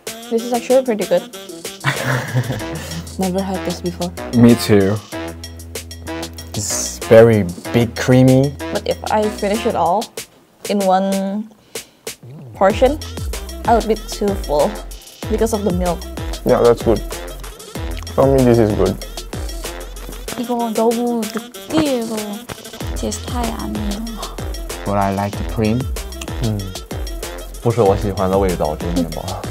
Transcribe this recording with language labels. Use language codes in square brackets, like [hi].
[en] This is actually pretty good. Never had this before. Me too. It's very big, creamy. But if I finish it all in one portion, I would be too full because of the milk. Yeah, that's good. For me, this is good. [ko] 이거 너무 느끼해서 제 스타일 아니에요. [en] But I like the cream. [zh] 不是我喜欢的味道，这个面包.